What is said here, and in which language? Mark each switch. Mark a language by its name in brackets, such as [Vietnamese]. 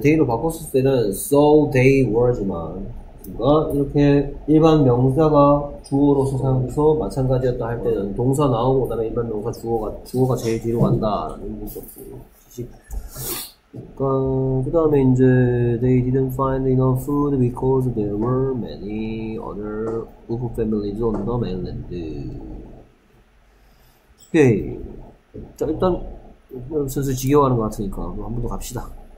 [Korean] They로 바꿨을 때는 [English] so they were [Korean] 지만 이렇게 일반 명사가 주어로서 사용돼서 마찬가지였다 할 때는 동사 나오고 그 다음에 일반 명사 주어가 제일 뒤로 간다 이런 것도 없어요. 그러니까 그 다음에 이제 [English] they didn't find enough food because there were many other wolf families on the mainland. Okay. [Korean] 자 일단 슬슬 지겨워하는 것 같으니까 한 번 더 갑시다.